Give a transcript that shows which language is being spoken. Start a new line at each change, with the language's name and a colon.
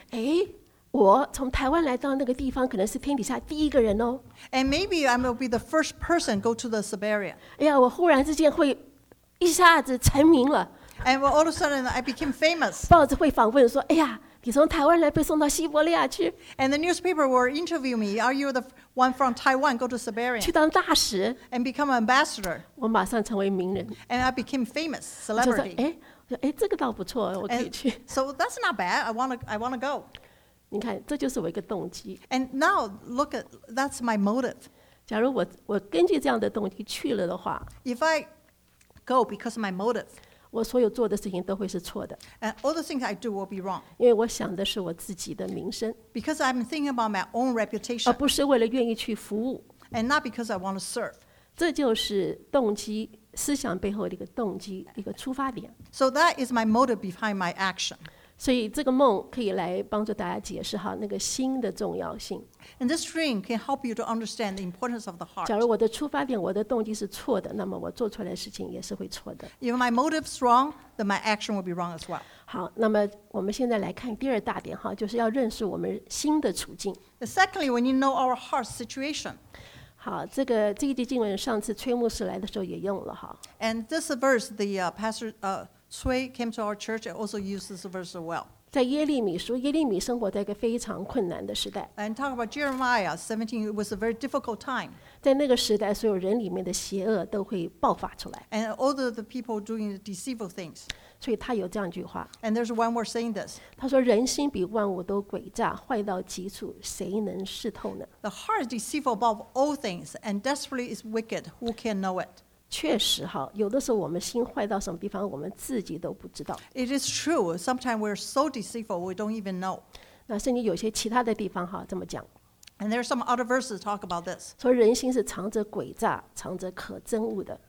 Chinese: 哎，我从台湾来到那个地方，可能是天底下第一个人哦。
English: And maybe I will be the first person go to the Siberia.
Chinese: 哎呀，我忽然之间会一下子成名了。
English: And all of a sudden I became famous.
Chinese: 报纸会访问说，哎呀，你从台湾来被送到西伯利亚去。
English: And the newspaper will interview me. Are you the one from Taiwan go to Siberia
Chinese: 去当大使
English: and become an ambassador
Chinese: 我马上成为名人
English: and I became famous celebrity
Chinese: 我说这个倒不错我可以去
English: so that's not bad I want to go
Chinese: 你看这就是我一个动机
English: and now look at that's my motive
Chinese: 假如我根据这样的动机去了的话
English: if I go because of my motive
Chinese: 我所有做的事情都会是错的
English: and all the things I do will be wrong
Chinese: 因为我想的是我自己的名声
English: because I'm thinking about my own reputation
Chinese: 而不是为了愿意去服务
English: and not because I want to serve
Chinese: 这就是动机思想背后的一个动机一个出发点
English: so that is my motive behind my action
Chinese: 所以这个梦可以来帮助大家解释哈那个心的重要性
English: and this dream can help you to understand the importance of the heart
Chinese: 假如我的出发点我的动机是错的那么我做出来的事情也是会错的
English: if my motive is wrong then my action will be wrong as well
Chinese: 好那么我们现在来看第二大点哈就是要认识我们心的处境
English: secondly when you know our heart situation
Chinese: 好，这一节经文上次崔牧师来的时候也用了哈。
English: And this verse, the pastor, Cui came to our church and also used this verse well.
Chinese: 在耶利米书，耶利米生活在一个非常困难的时代。
English: And talk about Jeremiah 17, it was a very difficult time.
Chinese: 在那个时代，所有人里面的邪恶都会爆发出来。
English: And all the people doing deceitful things.
Chinese: 所以他有这样一句话。
English: And there's one word saying this.
Chinese: 他说：“人心比万物都诡诈，坏到极处，谁能识透呢？”
English: The heart is deceitful above all things, and desperately is wicked. Who can know it?
Chinese: 确实哈，有的时候我们心坏到什么地方，我们自己都不知道。
English: It is true. Sometimes we're so deceitful we don't even know.
Chinese: 那圣经有些其他的地方哈这么讲。
English: And there are some other verses talk about this.
Chinese: 说人心是藏着诡诈，藏着可憎恶的。